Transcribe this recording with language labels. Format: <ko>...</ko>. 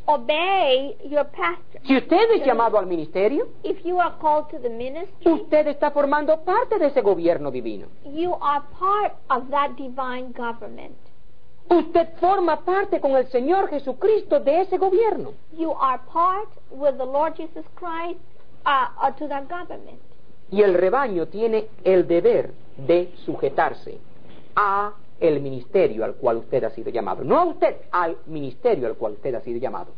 <en>Obey your pastor.</en> <es>Si usted es llamado al ministerio,</es> <en>if you are called to the ministry,</en> <es>usted está formando parte de ese gobierno divino.</es> <en>You are part of that divine government.</en> <es>Usted forma parte con el Señor Jesucristo de ese gobierno.</es> <en>You are part with the Lord Jesus Christ to that government.</en> <es>Y el rebaño tiene el deber de sujetarse a el ministerio al cual usted ha sido llamado. No a usted, al ministerio al cual usted ha sido llamado.</es>